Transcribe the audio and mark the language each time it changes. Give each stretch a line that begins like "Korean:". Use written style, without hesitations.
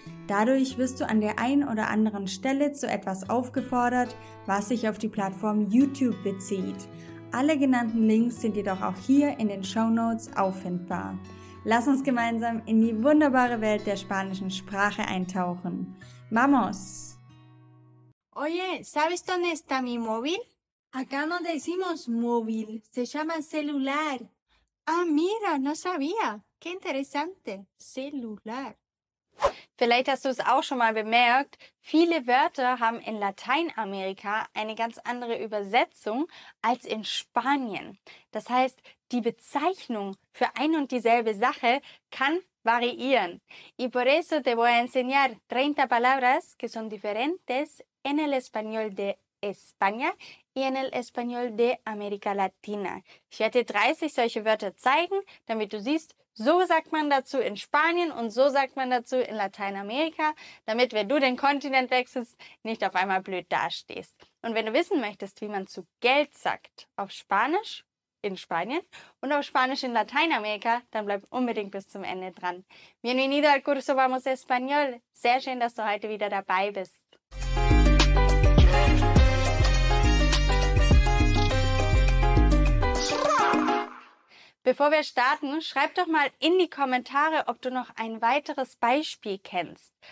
German: Dadurch wirst du an der einen oder anderen Stelle zu etwas aufgefordert, was sich auf die Plattform YouTube bezieht. Alle genannten Links sind jedoch auch hier in den Shownotes auffindbar. Lass uns gemeinsam in die wunderbare Welt der spanischen Sprache eintauchen.
Spanish: ¡Vamos! Oye, ¿sabes dónde está mi móvil? Acá no decimos móvil, se llama celular. Ah, mira, no sabía. ¡Qué interesante! Celular.
German: Vielleicht hast du es auch schon mal bemerkt, viele Wörter haben in Lateinamerika eine ganz andere Übersetzung als in Spanien. Das heißt, die Bezeichnung für ein und dieselbe Sache kann variieren.
Spanish: Y por eso te voy a enseñar 30 palabras que son diferentes en el español de España y en el español de América Latina.
German: Ich werde dir 30 solche Wörter zeigen, damit du siehst, so sagt man dazu in Spanien und so sagt man dazu in Lateinamerika, damit, wenn du den Kontinent wechselst, nicht auf einmal blöd dastehst. Und wenn du wissen möchtest, wie man zu Geld sagt, auf Spanisch in Spanien und auf Spanisch in Lateinamerika, dann bleib unbedingt bis zum Ende dran.
Spanish: Bienvenido al curso Vamos Español.
German: Sehr schön, dass du heute wieder dabei bist. Bevor wir starten, schreib doch mal in die Kommentare, ob du noch ein weiteres Beispiel kennst.